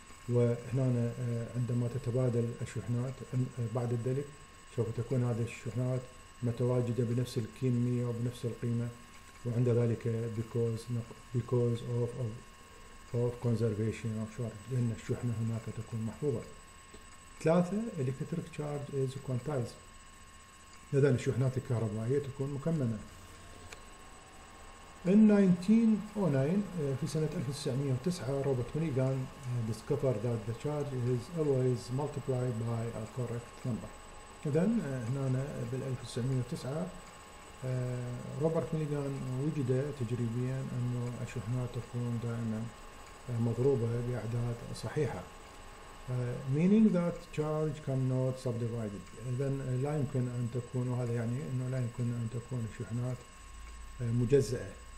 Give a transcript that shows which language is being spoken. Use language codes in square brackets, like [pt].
[ar] وهنا عندما تتبادل الشحنات بعد ذلك سوف تكون هذه الشحنات متواجده بنفس الكميه وبنفس القيمه، وعند ذلك [en] because of conservation of charge [ar] لأن الشحنة هناك تكون محفوظة. [en] 3 electric charge is quantized. [ar] إذا الشحنات الكهربائية تكون مكمنة. [en] In 1909 [ar] في سنة 1909 [en] Robert مينيغان discovered that the charge is always multiplied by a correct number. [ar] إذا هنا بال 1909 روبرت مينيغان وجد تجريبيا انه الشحنات تكون دائما مضروبه باعداد صحيحه. [en] meaning that charge cannot subdivide. [ar] إذن لا يمكن أن تكون، وهذا يعني أنه لا يمكن أن تكون الشحنات مجزأة.